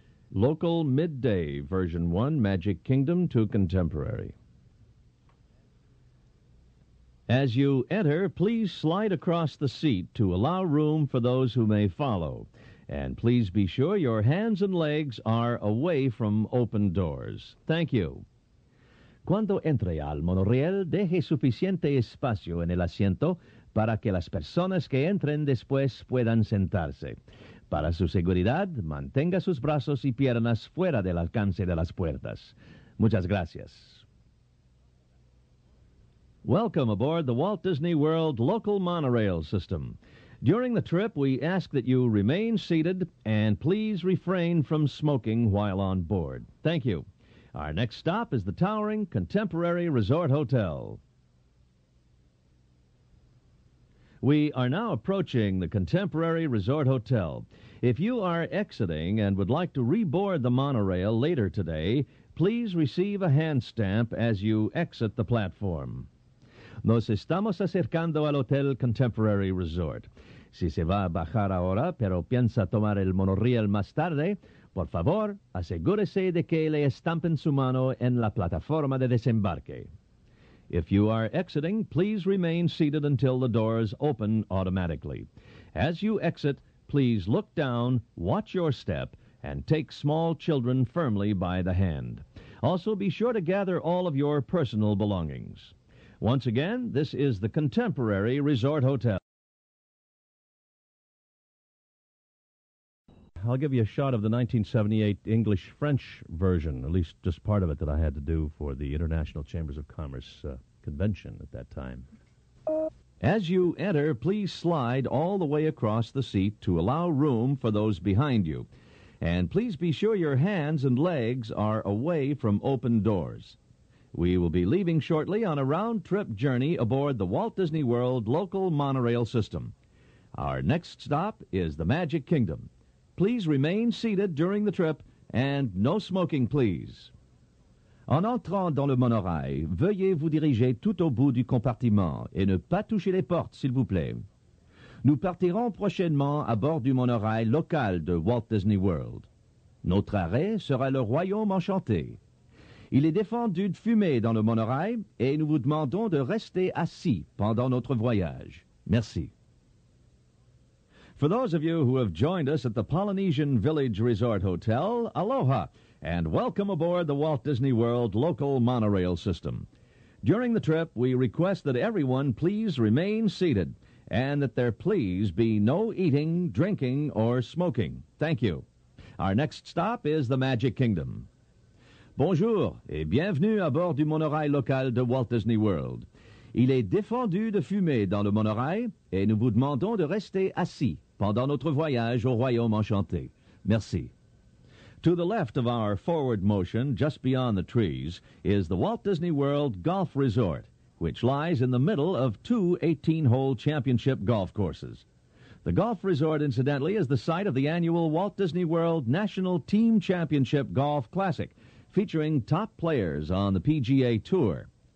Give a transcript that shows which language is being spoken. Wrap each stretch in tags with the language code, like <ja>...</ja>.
<en>Local Midday, Version 1, Magic Kingdom to Contemporary. As you enter, please slide across the seat to allow room for those who may follow. And please be sure your hands and legs are away from open doors. Thank you.</en> <es>Cuando entre al monorriel, deje suficiente espacio en el asiento para que las personas que entren después puedan sentarse. Para su seguridad, mantenga sus brazos y piernas fuera del alcance de las puertas. Muchas gracias.</es> <en>Welcome aboard the Walt Disney World Local Monorail System. During the trip, we ask that you remain seated and please refrain from smoking while on board. Thank you. Our next stop is the towering Contemporary Resort Hotel. We are now approaching the Contemporary Resort Hotel. If you are exiting and would like to reboard the monorail later today, please receive a hand stamp as you exit the platform.</en> <es>Nos estamos acercando al Hotel Contemporary Resort. Si se va a bajar ahora, pero piensa tomar el monorriel más tarde, por favor, asegúrese de que le estampen su mano en la plataforma de desembarque.</es> <en>If you are exiting, please remain seated until the doors open automatically. As you exit, please look down, watch your step, and take small children firmly by the hand. Also, be sure to gather all of your personal belongings. Once again, this is the Contemporary Resort Hotel. I'll give you a shot of the 1978 English-French version, at least just part of it that I had to do for the International Chambers of Commerce convention at that time. As you enter, please slide all the way across the seat to allow room for those behind you. And please be sure your hands and legs are away from open doors. We will be leaving shortly on a round-trip journey aboard the Walt Disney World Local Monorail System. Our next stop is the Magic Kingdom. Please remain seated during the trip, and no smoking, please.</en> <fr>En entrant dans le monorail, veuillez vous diriger tout au bout du compartiment et ne pas toucher les portes, s'il vous plaît. Nous partirons prochainement à bord du monorail local de Walt Disney World. Notre arrêt sera le Royaume Enchanté. Il est défendu de fumer dans le monorail et nous vous demandons de rester assis pendant notre voyage. Merci.</fr> <en>For those of you who have joined us at the Polynesian Village Resort Hotel, aloha and welcome aboard the Walt Disney World Local Monorail System. During the trip, we request that everyone please remain seated and that there please be no eating, drinking, or smoking. Thank you. Our next stop is the Magic Kingdom.</en> <fr>Bonjour et bienvenue à bord du monorail local de Walt Disney World. Il est défendu de fumer dans le monorail et nous vous demandons de rester assis pendant notre voyage au Royaume Enchanté. Merci.</fr> <en>To the left of our forward motion, just beyond the trees, is the Walt Disney World Golf Resort, which lies in the middle of two 18-hole championship golf courses. The Golf Resort, incidentally, is the site of the annual Walt Disney World National Team Championship Golf Classic, featuring top players on the PGA Tour.</en>